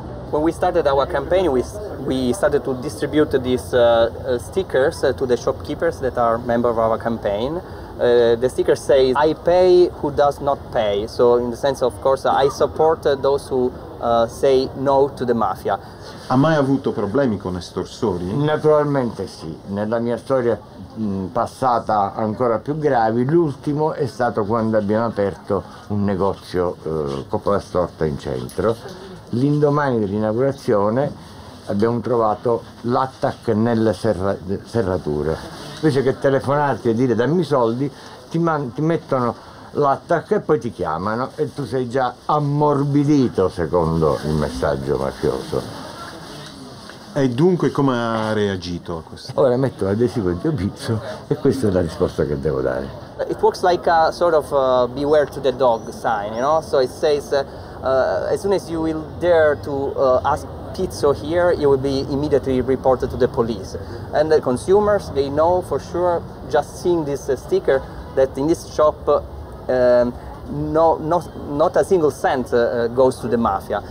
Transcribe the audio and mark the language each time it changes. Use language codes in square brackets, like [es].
[en] When we started our campaign, we started to distribute these stickers to the shopkeepers that are members of our campaign. The sticker says, "I pay who does not pay." So in the sense, of course, I support those who say no to the mafia. [it] Ha mai avuto problemi con estorsori? Naturalmente sì. Nella mia storia passata ancora più gravi, l'ultimo è stato quando abbiamo aperto un negozio Coppa da Storta in centro. L'indomani dell'inaugurazione abbiamo trovato l'attack nelle serrature. Invece che telefonarti e dire dammi i soldi, ti mettono l'attacco e poi ti chiamano e tu sei già ammorbidito secondo il messaggio mafioso. E dunque come ha reagito a questo? Ora metto l'adesivo di Obizzo e questa è la risposta che devo dare. [en] It works like a sort of beware to the dog sign, you know? So it says as soon as you will dare to ask Pizzo here, you will be immediately reported to the police. And the consumers, they know for sure, just seeing this sticker, that in this shop not a single cent goes to the mafia.